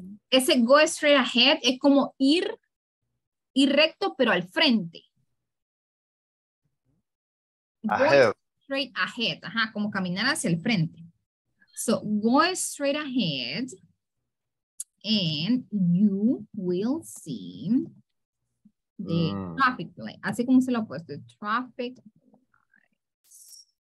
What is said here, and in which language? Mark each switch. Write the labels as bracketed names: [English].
[Spanish] Ese [English] go straight ahead [Spanish] es como ir recto pero al frente. [English] Ahead. Straight ahead, [Spanish] ajá, como caminar hacia el frente. [English] So, go straight ahead and you will see the traffic light. [Spanish] Así como se lo ha puesto, traffic lights.